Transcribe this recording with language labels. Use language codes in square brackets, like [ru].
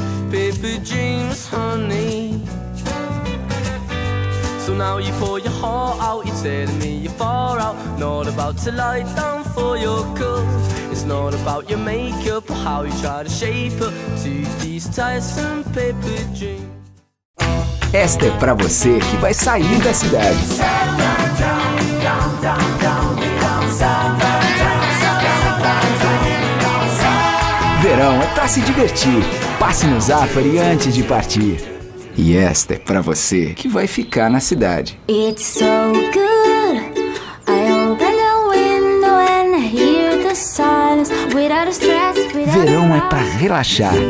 [en] Paper dreams, honey. So now you pour your heart out, you're telling me you're far out. Not about to lie down for your cause. It's not about your makeup or how you try to shape up to these tiresome paper dreams. [pt] Esta é pra você que vai sair da cidade. Verão é pra se divertir. Passe no Zafari antes de partir. E esta é pra você que vai ficar na cidade. [en] It's so good. I open the window and hear the silence. Without a stress, without [pt] verão é pra relaxar.